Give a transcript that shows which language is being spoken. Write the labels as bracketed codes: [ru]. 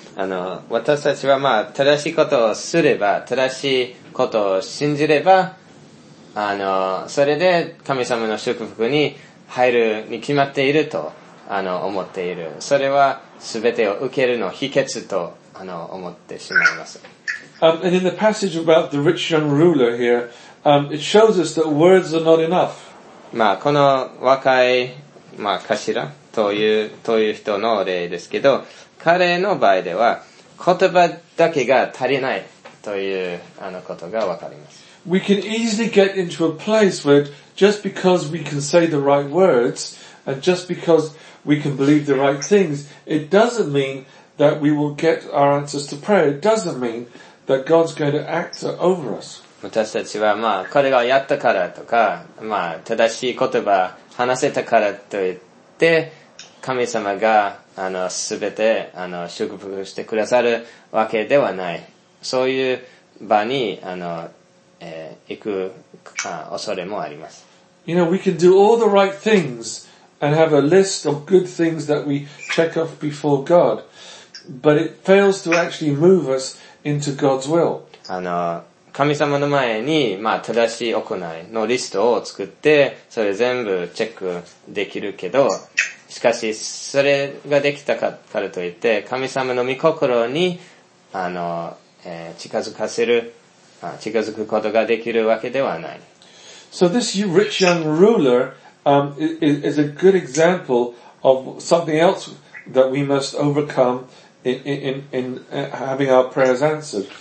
[ja] あの、私たちはまあ、正しいことをすれば、正しいことを信じれば、あの、それで神様の祝福に入るに決まっていると、あの、思っている。それは全てを受けるの秘訣と、あの、思ってしまいます。 [en] And in the passage about the rich young ruler here, it shows us that words are not enough. [ja] まあ、この若い、まあ、頭。という人の例ですけど、彼の場合では言葉だけが足りないというあのことがわかります。 [en] We can easily get into a place where just because we can say the right words and just because we can believe the right things, it doesn't mean that we will get our answers to prayer. It doesn't mean that God's going to act over us. [ja] 私たちはまあこれがやったからとか、まあ正しい言葉話せたからといって神様が全て祝福してくださるわけではない、そういう場に行く恐れもあります。 [en] You know, we can do all the right things and have a list of good things that we check off before God, but it fails to actually move us into God's will. [ja] 神様の前に、まあ、正しい行いのリストを作って、それ全部チェックできるけど、しかし、それができたからといって、神様の御心に、近づくことができるわけではない。 [en] So this rich young ruler, is a good example of something else that we must overcome in having our prayers answered.